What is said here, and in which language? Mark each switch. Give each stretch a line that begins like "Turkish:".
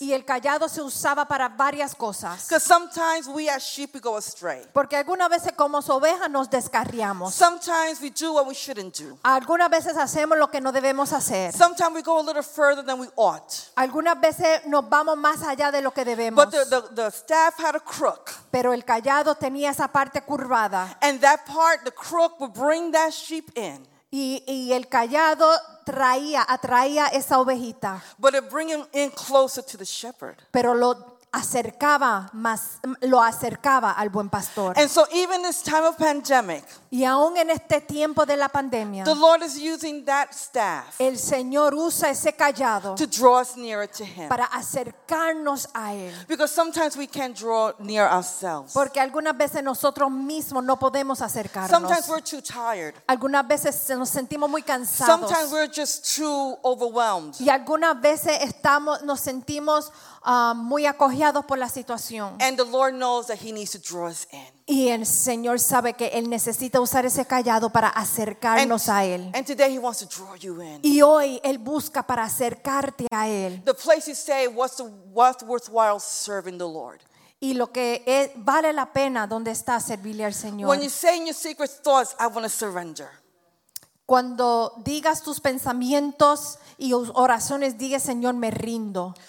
Spanish: Y el callado se usaba para varias cosas.
English: Because sometimes we as sheep we go astray.
Spanish: Porque algunas veces como ovejas nos descarriamos.
English: Sometimes we do what we shouldn't do.
Spanish: Algunas veces hacemos lo que no debemos hacer.
English: Sometimes we go a little further than we ought.
Spanish: Algunas veces nos vamos más allá de lo que debemos.
English: But the staff had a crook.
Spanish: Pero el callado tenía esa parte curvada.
English: And that part, the crook, would bring that sheep in.
Spanish: Y el callado atraía esa ovejita.
English: But it bring him in closer to the shepherd.
Spanish: Pero lo acercaba al buen pastor.
English: And so even this time of pandemic,
Spanish: y aún en este tiempo de la pandemia,
English: the Lord is using that staff,
Spanish: el Señor usa ese callado,
English: to draw us nearer to him,
Spanish: para acercarnos a él.
English: Because sometimes we can't draw near ourselves.
Spanish: Porque algunas veces nosotros mismos no podemos acercarnos.
English: Sometimes we're too tired.
Spanish: Algunas veces nos sentimos muy cansados.
English: Sometimes we're just too overwhelmed.
Spanish: Y algunas veces nos sentimos muy acogidos por la situación.
English: And the Lord knows that he needs to draw us in.
Spanish: Y el Señor sabe que él necesita usar ese callado para acercarnos a él.
English: And today he wants to draw you in.
Spanish: Y hoy él busca para acercarte a él.
English: The place you say what's worthwhile serving the Lord.
Spanish: Y lo que es, vale la pena donde está servirle al Señor.
English: When you say in your secret thoughts I want to surrender.
Spanish: Cuando digas tus pensamientos y oraciones, diga Señor, me rindo.